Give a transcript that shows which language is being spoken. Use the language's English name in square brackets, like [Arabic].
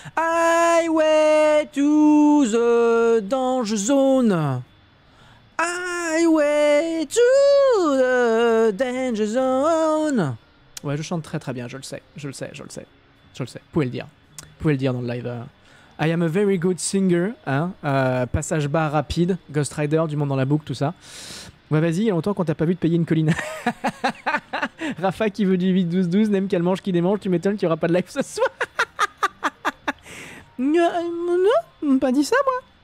[English] Highway to the danger zone. Highway to the danger zone. [French] Ouais, je chante très très bien, je le sais. Vous pouvez le dire dans le live. [English] I am a very good singer, hein. [French] Passage bas rapide, Ghost Rider, du monde dans la boucle, tout ça. Ouais, vas-y, il y a longtemps qu'on t'a pas vu te payer une colline. Rafa qui veut du 8-12-12, Nem qu'elle mange, qui démange, tu m'étonnes qu'il n'y aura pas de live ce soir. Non, pas dit ça, moi.